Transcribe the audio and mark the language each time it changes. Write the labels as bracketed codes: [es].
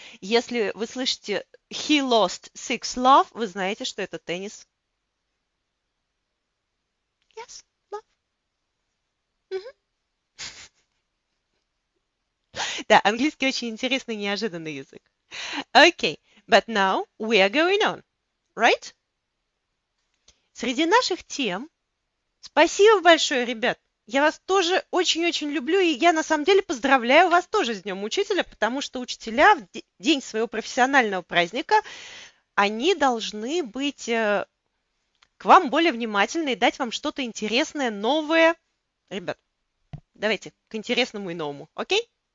[ru] Если вы слышите he lost 6-love, вы знаете, что это теннис. [en] Yes, love. [ru] Да, английский очень интересный, неожиданный язык. [en] Okay, but now we are going on, right? [ru] Среди наших тем... Спасибо большое, ребят! Я вас тоже очень-очень люблю, и я на самом деле поздравляю вас тоже с Днем Учителя, потому что учителя в день своего профессионального праздника, они должны быть к вам более внимательны и дать вам что-то интересное, новое. Ребят, давайте к интересному и новому, окей? Okay?